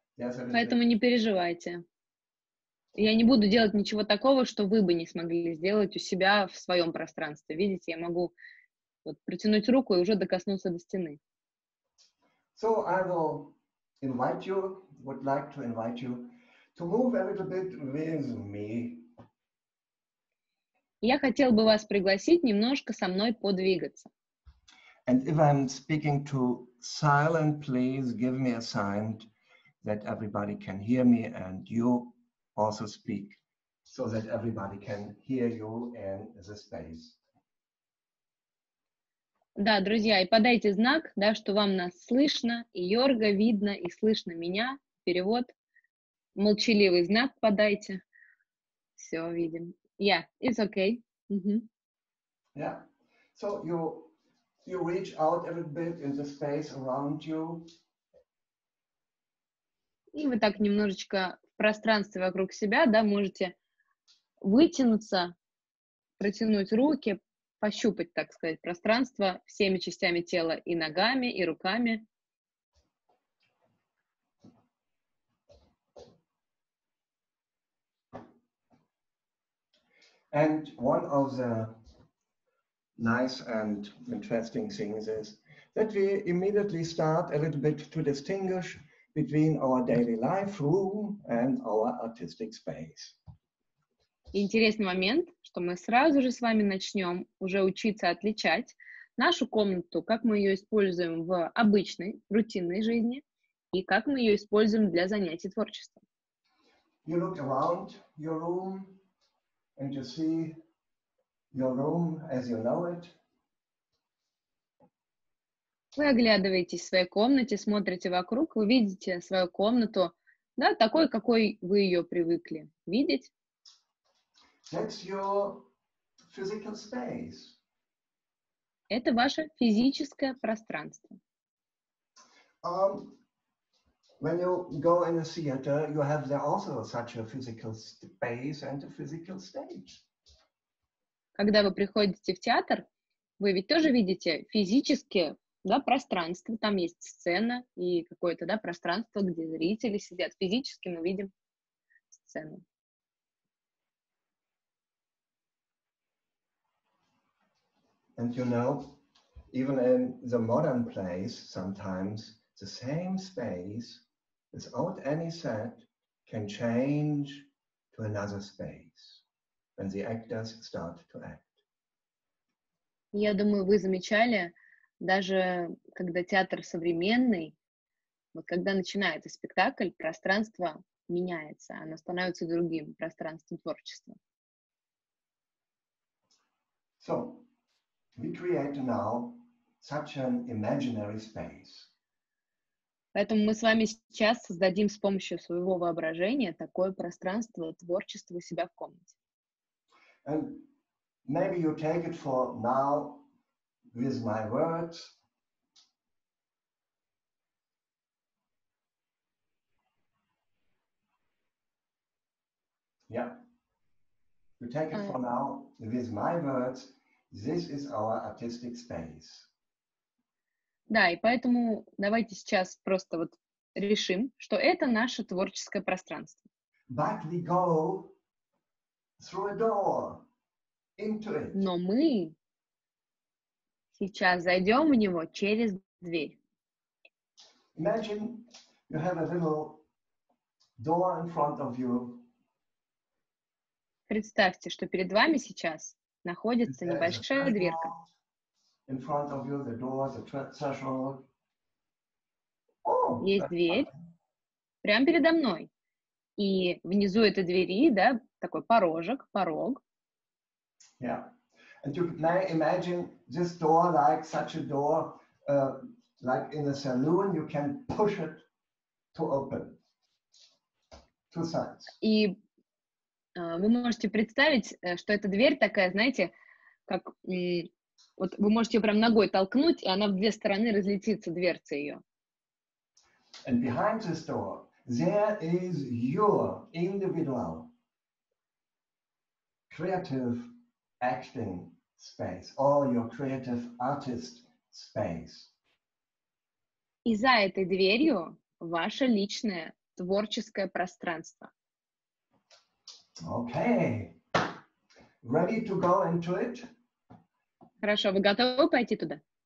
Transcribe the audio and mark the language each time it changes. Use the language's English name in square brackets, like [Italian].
[English] Yes, [Russian] поэтому не переживайте. Я не буду делать ничего такого, что вы бы не смогли сделать у себя в своем пространстве. Видите, я могу вот протянуть руку и уже докоснуться до стены. [English] So I will invite you, would like to invite you to move a little bit with me. [Russian] Я хотел бы вас пригласить немножко со мной подвигаться. [English] And if I'm speaking too silent, please give me a sign that everybody can hear me and you also speak so that everybody can hear you in the space. [Russian] Да, друзья, и подайте знак, да, что вам нас слышно, и Йорга видно, и слышно меня. Перевод. Молчаливый знак подайте. Все, видим. [English] Yeah, it's okay. Mm-hmm. Yeah. So you reach out a little bit in the space around you. [Russian] И вы так немножечко в пространстве вокруг себя, да, можете вытянуться, протянуть руки, пощупать, так сказать, пространство всеми частями тела, и ногами, и руками. [English] And one of the nice and interesting things is that we immediately start a little bit to distinguish between our daily life room and our artistic space. [Russian] Интересный момент, что мы сразу же с вами начнем уже учиться отличать нашу комнату, как мы ее используем в обычной, рутинной жизни, и как мы ее используем для занятий творчеством. [English] You look around your room. and you see your room as you know it. [Russian] Вы оглядываетесь в своей комнате, смотрите вокруг, вы видите свою комнату, да, такой, какой вы ее привыкли видеть. [English] That's your physical space. [Russian] Это ваше физическое пространство. [English] When you go in a theater, you have there also such a physical space and a physical stage. [Russian] Когда вы приходите в театр, вы ведь тоже видите физические, да, пространство, там есть сцена и какое-то, да, пространство, где зрители сидят. Физически мы видим сцену. [English] And you know, even in the modern plays, sometimes the same space, without any set, can change to another space when the actors start to act. [Russian] Я думаю, вы замечали, даже когда театр современный, вот когда начинается спектакль, пространство меняется, оно становится другим пространством творчества. [English] So, we create now such an imaginary space. [Russian] Поэтому мы с вами сейчас создадим с помощью своего воображения такое пространство творчества у себя в комнате. [English] And maybe you take it for now. With my words. Yeah. You take it for now. With my words, this is our artistic space. [Russian] Да, и поэтому давайте сейчас просто вот решим, что это наше творческое пространство. [English] But we go through a door into it. [Russian] Но мы сейчас зайдем в него через дверь. [English] Imagine you have a little door in front of you. [Russian] Представьте, что перед вами сейчас находится небольшая дверка. [English] In front of you, the door, the threshold. [Russian] Есть дверь прямо передо мной. И внизу этой двери, да, такой порожек, порог. [English] Yeah. And you may imagine this door like such a door, like in a saloon, you can push it to open. Two sides. [Russian] И вы можете представить, что эта дверь такая, знаете, как вот вы можете ее прям ногой толкнуть, и она в две стороны разлетится, дверца ее. [English] And behind this door, there is your individual creative acting space, all your creative artist space. [Russian] И за этой дверью ваше личное творческое пространство. [English] Okay. Ready to go into it? [Russian] Хорошо, вы готовы пойти туда?